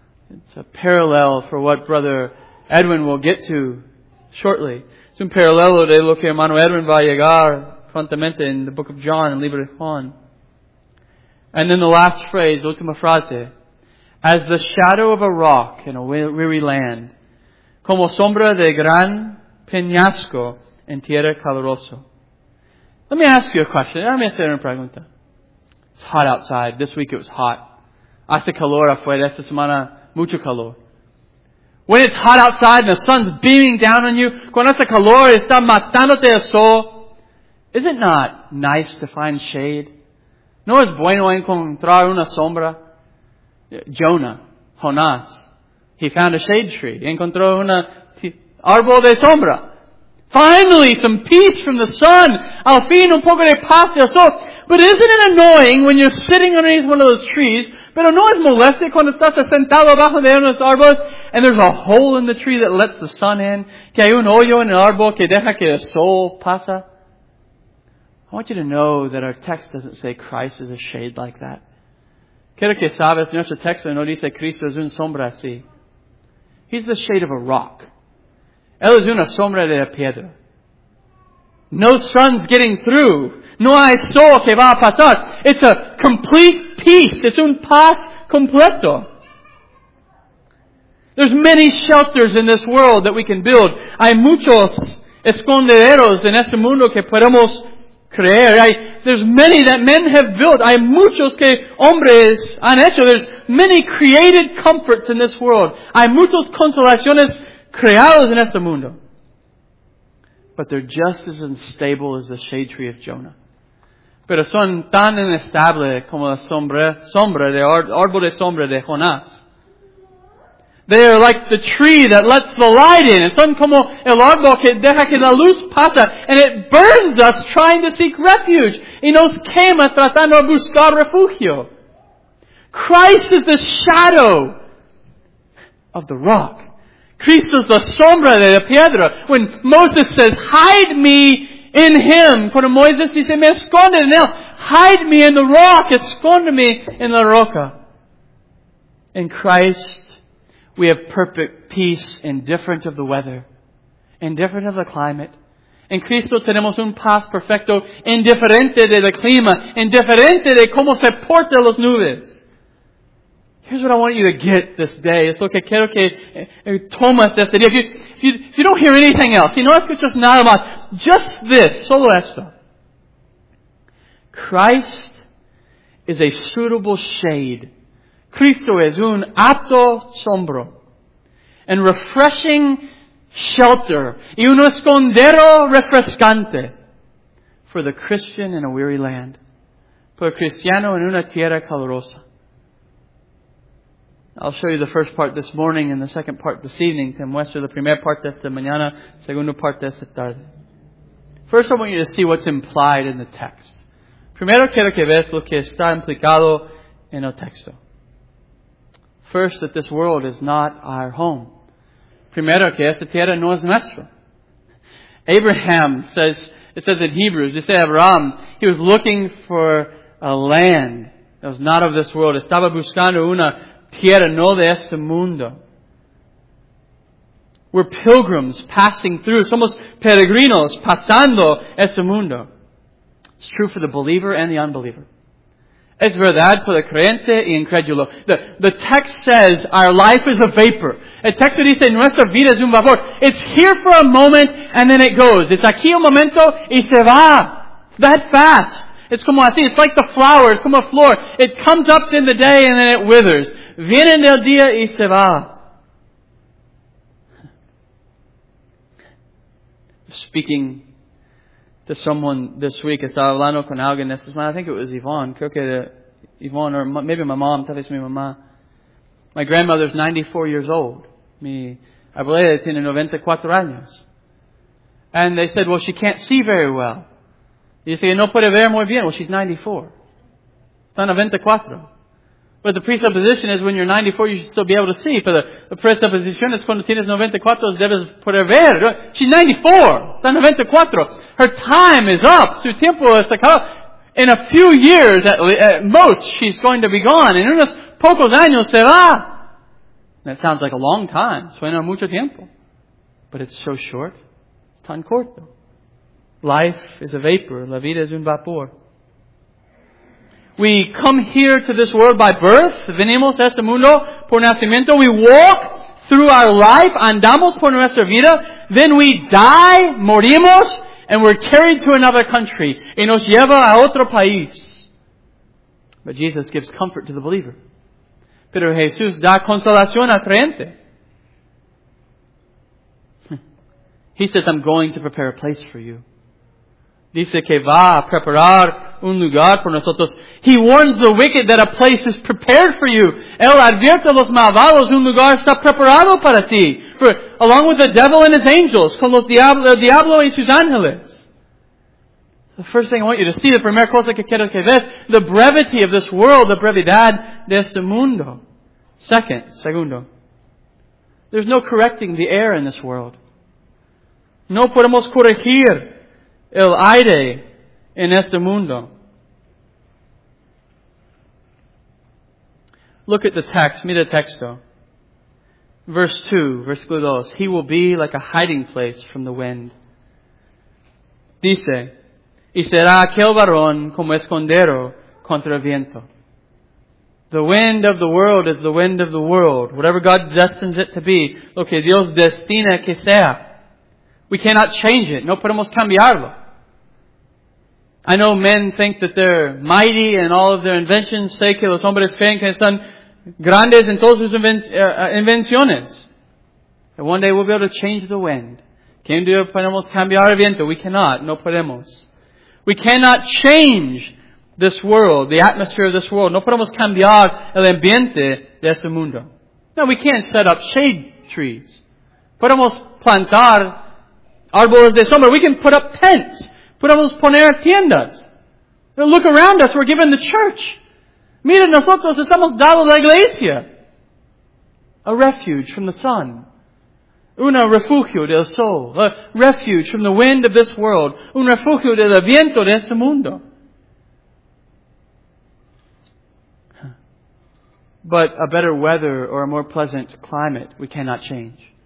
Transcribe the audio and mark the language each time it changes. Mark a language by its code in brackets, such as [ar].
[en] It's a parallel for what Brother Edwin will get to shortly. [es] Es un paralelo de lo que hermano Edwin va a llegar prontamente [en] in the book of John and [es] Libro de Juan. [en] And then the last phrase, [es] última frase. [en] As the shadow of a rock in a weary land, [es] como sombra de gran peñasco en tierra calurosa. [en] Let me ask you a question. Let me [es] hacer una pregunta. [en] It's hot outside. This week it was hot. [es] Hace calor afuera. Esta semana, mucho calor. [en] When it's hot outside and the sun's beaming down on you, [es] cuando hace calor y está matándote el sol, [en] is it not nice to find shade? [es] No es bueno encontrar una sombra. [en] Jonah, Jonás, he found a shade tree. [es] Encontró una árbol de sombra. [en] Finally, some peace from the sun. [es] Al fin, un poco de paz del sol. [en] But isn't it annoying when you're sitting underneath one of those trees? [es] Pero no es molesto cuando estás sentado bajo de unos árboles [en] and there's a hole in the tree that lets the sun in. [es] Que hay un hoyo en el árbol que deja que el sol pasa. [en] I want you to know that our text doesn't say Christ is a shade like that. [es] Quiero que sabes, nuestro texto no dice Cristo es un sombra así. [en] He's the shade of a rock. [es] Él es una sombra de la piedra. [en] No sun's getting through. [es] No hay sol que va a pasar. [en] It's a complete peace. [es] Es un paz completo. [en] There's many shelters in this world that we can build. [es] Hay muchos esconderos en este mundo que podemos creer. [en] There's many that men have built. [es] Hay muchos que hombres han hecho. [en] There's many created comforts in this world. [es] Hay muchos consolaciones creados en este mundo. [en] But they're just as unstable as the shade tree of Jonah. [es] Pero son tan inestable como la árbol de sombra de Jonás. [en] They are like the tree that lets the light in. [es] Son como el árbol que deja que la luz pasa. [en] And it burns us trying to seek refuge. [es] Y nos quema tratando de buscar refugio. [en] Christ is the shadow of the rock. [es] Cristo es la sombra de la piedra. [en] When Moses says, hide me in him. [es] Cuando Moisés dice, me esconde en él. [en] Hide me in the rock. [es] Esconde me in la roca. [en] In Christ, we have perfect peace, indifferent of the weather, indifferent of the climate. [es] En Cristo tenemos un paz perfecto, indiferente de la clima, indiferente de cómo se portan las nubes. [en] Here's what I want you to get this day. [es] Es lo que quiero que tomas este día. [en] If you don't hear anything else, [es] si no escuchas nada más, [en] just this, [es] solo esto. [en] Christ is a suitable shade. [es] Cristo es un apto sombro. [en] And refreshing shelter. [es] Y un escondero refrescante. [en] For the Christian in a weary land. [es] Por cristiano en una tierra calurosa. [en] I'll show you the first part this morning and the second part this evening. [es] Te muestro la primera parte de esta mañana, segunda parte de esta tarde. [en] First, I want you to see what's implied in the text. [es] Primero, quiero que veas lo que está implicado en el texto. [en] First, that this world is not our home. [es] Primero, que esta tierra no es nuestra. [en] Abraham says, it says in Hebrews, they say Abraham, he was looking for a land that was not of this world. [es] Estaba buscando una tierra no de este mundo. [en] We're pilgrims passing through. [es] Somos peregrinos pasando este mundo. [en] It's true for the believer and the unbeliever. [es] Es verdad por el creyente y incrédulo. [en] The text says our life is a vapor. [es] El texto dice nuestra vida es un vapor. [en] It's here for a moment and then it goes. [es] Es aquí un momento y se va. [en] That fast. It's [es] como así. [en] It's like the flower. It's [es] como a flor. [en] It comes up in the day and then it withers. [es] Viene en el día y se va. [en] Speaking to someone this week, [es] estaba hablando con alguien esta semana, [en] I think it was Yvonne, [es] creo que Yvonne, [en] or maybe my mom, [es] tal vez mi mamá. [en] My grandmother's 94 years old. [es] Mi abuela tiene 94 años. [en] And they said, well, she can't see very well. You say, [es] no puede ver muy bien. [en] Well, she's 94. [es] Está 94. [en] But the presupposition is when you're 94, you should still be able to see. [es] Pero la presupposición es cuando tienes 94, debes poder ver. [en] She's 94. [es] Está 94. [en] Her time is up. [es] Su tiempo es acabado. [en] In a few years, at most, she's going to be gone. [es] En unos pocos años, se va. [en] That sounds like a long time. [es] Suena mucho tiempo. [en] But it's so short. [es] It's tan corto. [en] Life is a vapor. [es] La vida es un vapor. [en] We come here to this world by birth. [es] Venimos a este mundo por nacimiento. [en] We walk through our life. [es] Andamos por nuestra vida. [en] Then we die, [es] morimos, [en] and we're carried to another country. [es] Y nos lleva a otro país. [en] But Jesus gives comfort to the believer. [es] Pero Jesús da consolación al creyente. [en] He says, I'm going to prepare a place for you. [es] Dice que va a preparar un lugar por nosotros. [en] He warns the wicked that a place is prepared for you. [es] Él advierte a los malvados, un lugar está preparado para ti. [en] For, along with the devil and his angels, [es] con los diablo y sus ángeles. [en] The first thing I want you to see, the [es] primera cosa que quiero que ves, [en] the brevity of this world, the [es] brevidad de este mundo. Segundo. [en] There's no correcting the air in this world. [es] No podemos corregir el aire en este mundo. [en] Look at the text. [es] Mira el texto. [en] Verse 2, [es] versículo 2. [en] He will be like a hiding place from the wind. [es] Dice, y será aquel varón como escondero contra el viento. [en] The wind of the world is the wind of the world. Whatever God destines it to be, [es] lo que Dios destina que sea. [en] We cannot change it. [es] No podemos cambiarlo. [en] I know men think that they're mighty and all of their inventions. [es] Sé que los hombres creen que son grandes en todas sus invenciones. [en] And one day we'll be able to change the wind. [es] ¿Quién dice que podemos cambiar el viento? [en] We cannot. [es] No podemos. [en] We cannot change this world, the atmosphere of this world. [es] No podemos cambiar el ambiente de este mundo. [en] No, we can't set up shade trees. [es] Podemos plantar árboles de sombra. [en] We can put up tents. [es] Podemos poner tiendas. [en] Look around us. We're given the church. [es] Mira, nosotros estamos dando la iglesia. [en] A refuge from the sun. [es] Un refugio del sol. [en] A refuge from the wind of this world. [es] Un refugio del viento de este mundo. [en] But a better weather or a more pleasant climate, we cannot change.